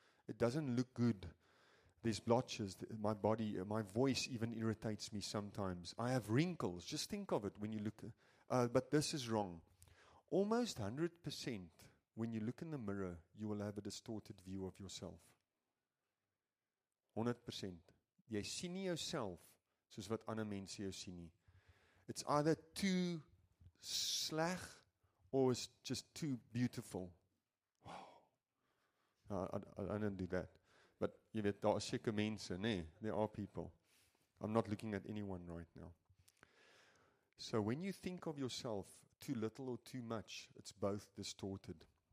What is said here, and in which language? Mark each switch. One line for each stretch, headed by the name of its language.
English: It doesn't look good. There's blotches. My body, my voice even irritates me sometimes. I have wrinkles. Just think of it when you look. But this is wrong. Almost 100%, when you look in the mirror, you will have a distorted view of yourself. 100%.
Afrikaans: Jy sien nie jouself soos wat ander mense jou sien nie.
English: It's either too sleg or it's just too beautiful. Wow. I don't do that. But
Afrikaans: jy weet, daar is seker mense, nee,
English: there are people. I'm not looking at anyone right now. So when you think of yourself too little or too much, it's both distorted.